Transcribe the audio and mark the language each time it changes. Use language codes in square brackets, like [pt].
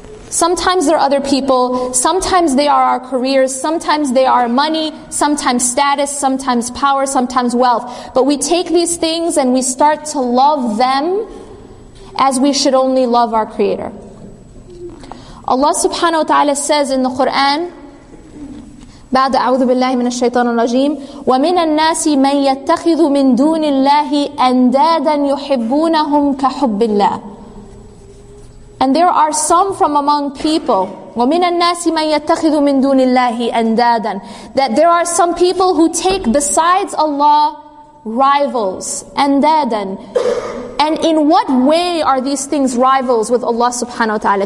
[en] Sometimes they're other people, sometimes they are our careers, sometimes they are money, sometimes status, sometimes power, sometimes wealth. But we take these things and we start to love them as we should only love our Creator. Allah subhanahu wa ta'ala says in the Quran, [ar] بعد أعوذ بالله من الشيطان الرجيم ومن الناس من يتخذ من دون الله أندادا يحبونهم كحب الله. [en] And there are some from among people, [ar] ومن الناس من يتخذ من دون الله أندادا, [en] that there are some people who take besides Allah rivals, أندادا. And in what way are these things rivals with Allah subhanahu wa ta'ala?